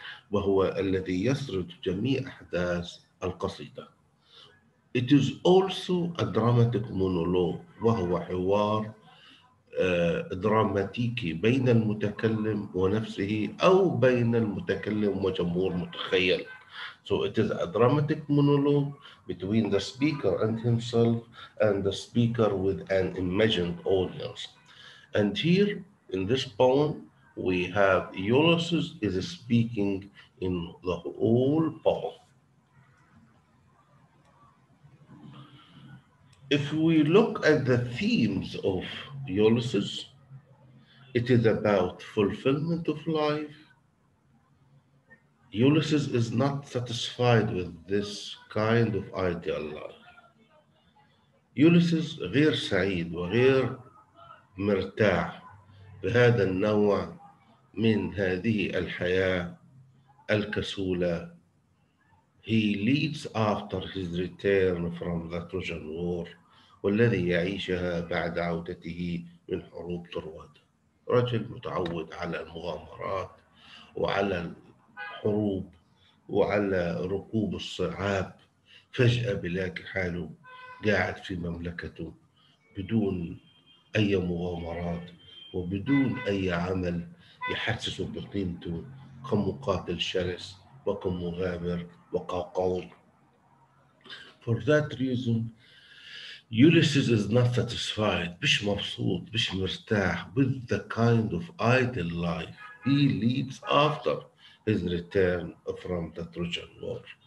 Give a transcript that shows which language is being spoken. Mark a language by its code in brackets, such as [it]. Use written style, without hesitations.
[ar] وهو الذي يسرد جميع أحداث القصيدة. [en] It is also a dramatic monologue. [ar] وهو حوار دراماتيكي بين المتكلم ونفسه أو بين المتكلم وجمهور متخيل. [en] So it is a dramatic monologue between the speaker and himself and the speaker with an imagined audience. And here in this poem we have Ulysses is speaking in the whole poem. If we look at the themes of Ulysses, it is about fulfillment of life. Ulysses is not satisfied with this kind of ideal life. [ar] Ulysses غير سعيد وغير مرتاح بهذا النوع من هذه الحياة الكسولة. [en] He leads after his return from the Trojan War. [ar] والذي يعيشها بعد عودته من حروب ترواد. رجل متعود على المغامرات وعلى الحروب وعلى ركوب الصعاب, فجأة بلاقي حاله قاعد في مملكته بدون أي مغامرات وبدون أي عمل يحسسه بقيمته كم مقاتل شرس وكم مغامر وقوقعون. [en] For that reason, Ulysses is not satisfied, مش مبسوط, مش مرتاح with the kind of idle life he leads after his return from the Trojan War.